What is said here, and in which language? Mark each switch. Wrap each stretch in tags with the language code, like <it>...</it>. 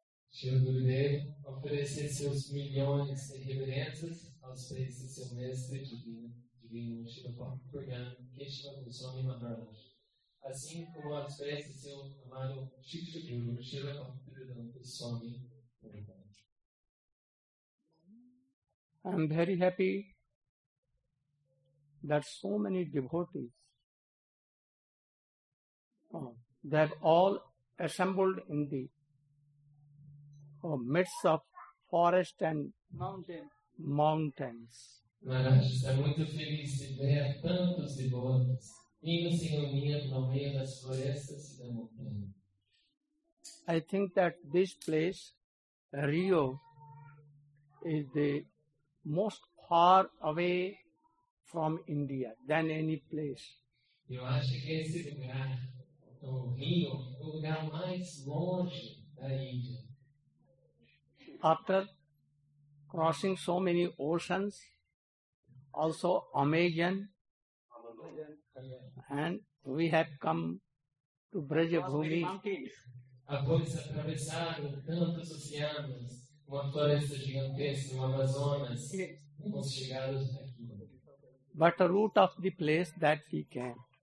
<pt>Shri Gurudev, oferecer seus milhões de reverências aos pés de seu mestre divino Shri Bhakti Pragyan Kesava Goswami Maharaj, assim como aos pés de seu amado Shiksha Guru Shri Bhakti Vedanta Swami Maharaj.</pt> <en>I am very happy that so many devotees, they have all assembled in the midst of forest and mountains.</en> <pt>Maharaj, estou muito feliz de ver tantos devotos indo se reunir no meio das florestas e da montanha.</pt> <en>I think that this place, Rio, is the most far away from India than any place.</en> <pt>Eu acho que esse lugar, o rio, é o lugar mais longe da Índia.</pt> <en>After crossing so many oceans, also Amazon, and we have come to Brajabhumi.</en> <pt>Após atravessar tantos oceanos, uma floresta gigantesca, o Amazonas, vamos chegar aqui.</pt> <en>But the root of the place that he came.</en>